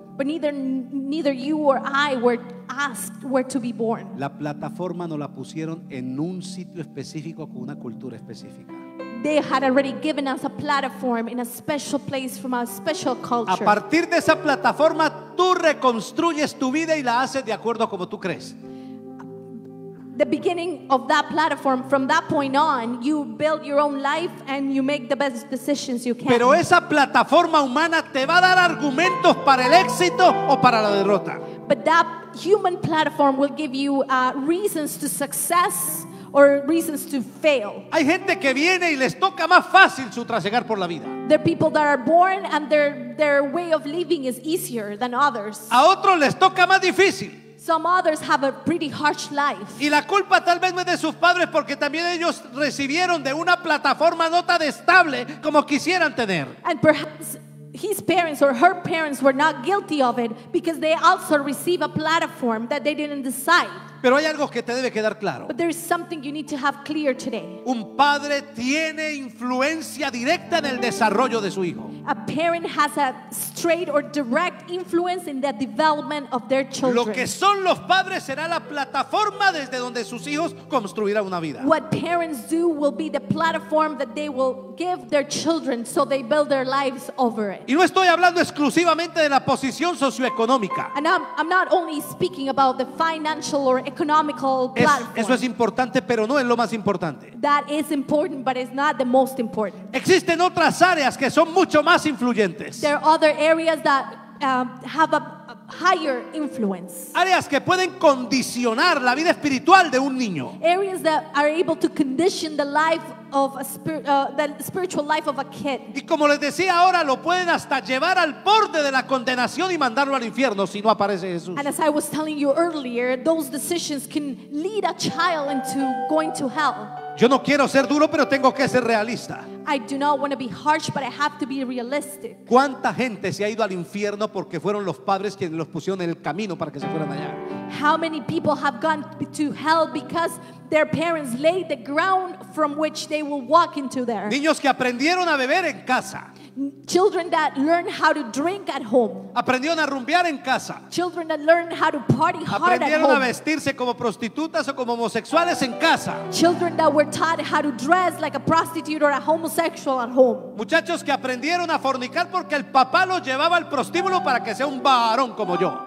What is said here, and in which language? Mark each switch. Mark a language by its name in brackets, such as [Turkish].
[English] But neither you or I were asked where to be born. [Spanish] La plataforma nos la pusieron en un sitio específico con una cultura específica. [English] They had already given us a platform in a special place from a special culture. [Spanish] A partir de esa plataforma tú reconstruyes tu vida y la haces de acuerdo a como tú crees. [English] The beginning of that platform, from that point on, you build your own life and you make the best decisions you can. [Spanish] Pero esa plataforma humana te va a dar argumentos para el éxito o para la derrota. [English] But that human platform will give you reasons to success or reasons to fail. [Spanish] Hay gente que viene y les toca más fácil su trasegar por la vida. [English] There are people that are born and their way of living is easier than others. [Spanish] A otros les toca más difícil. [English] Some others have a pretty harsh life. [Spanish] Y la culpa tal vez no es de sus padres porque también ellos recibieron de una plataforma no tan estable como quisieran tener. [English] And perhaps his parents or her parents were not guilty of it because they also received a platform that they didn't decide. [Spanish] Pero hay algo que te debe quedar claro. [English] But there is something you need to have clear today. [Spanish] Un padre tiene influencia directa en el desarrollo de su hijo. [English] A parent has a straight or direct influence in the development of their children. [Spanish] Lo que son los padres será la plataforma desde donde sus hijos construirán una vida. [English] What parents do will be the platform that they will give their children so they build their lives over it. [Spanish] Y no estoy hablando exclusivamente de la posición socioeconómica. [English] And I'm not only speaking about the financial or economical platform. [Spanish] Eso es importante, pero no es lo más importante. [English] That is important, but it's not the most important. [Spanish] Existen otras áreas que son mucho más influyentes. [English] There are other areas that have a higher influence. [Spanish] Áreas que pueden condicionar la vida espiritual de un niño. [English] Areas that are able to condition the life of the spiritual life of a kid. [Spanish] Y como les decía ahora, lo pueden hasta llevar al borde de la condenación y mandarlo al infierno si no aparece Jesús. [English] And as I was telling you earlier, those decisions can lead a child into going to hell. [Spanish] Yo no quiero ser duro, pero tengo que ser realista. [English] I do not want to be harsh, but I have to be realistic. [Spanish] ¿Cuánta gente se ha ido al infierno porque fueron los padres quienes los pusieron en el camino para que se fueran allá? [English] How many people have gone to hell because their parents laid the ground from which they will walk into there? [Spanish] Niños que aprendieron a beber en casa. [English] Children that learn how to drink at home. [Spanish] Aprendieron a rumbear en casa. [English] Children that learn how to party hard at home. [Spanish] Aprendieron a vestirse como prostitutas o como homosexuales en casa. [English] Children that were taught how to dress like a prostitute or a homosexual at home. [Spanish] Muchachos que aprendieron a fornicar porque el papá los llevaba al prostíbulo para que sea un varón como yo.